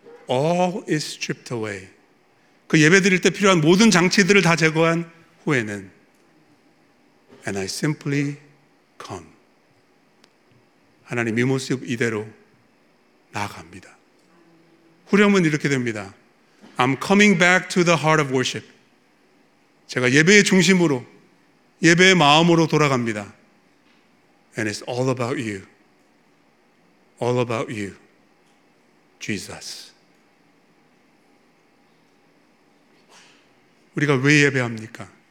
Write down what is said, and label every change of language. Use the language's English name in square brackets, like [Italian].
[English] All is stripped away. [Korean] 그 예배 드릴 때 필요한 모든 장치들을 다 제거한 후에는. [English] And I simply come. [Korean] 하나님 이 모습 이대로 나아갑니다. 후렴은 이렇게 됩니다. [English] I'm coming back to the heart of worship. [Korean] 제가 예배의 중심으로, 예배의 마음으로 돌아갑니다. [English] And it's all about you. All about you, Jesus. [Korean] 우리가 왜 예배합니까?